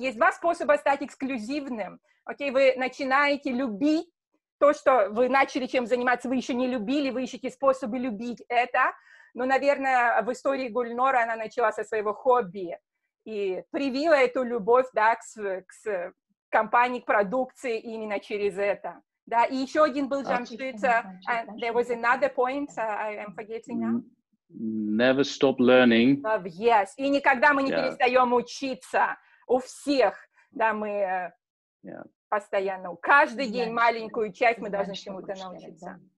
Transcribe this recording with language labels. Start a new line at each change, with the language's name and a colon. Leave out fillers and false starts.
Russian: Есть два способа стать эксклюзивным. Окей, вы начинаете любить то, что вы начали чем заниматься, вы еще не любили, вы ищете способы любить это. Но, наверное, в истории Гульнора она начала со своего хобби и привила эту любовь, да, к компании, к продукции именно через это. Да, и еще один был Jamshid.
English: There was another point I am forgetting now. Never stop learning.
Russian: Yes, и никогда мы не перестаем учиться у всех, да, мы... Yeah. Постоянно. Каждый день маленькую часть мы должны чему-то научиться.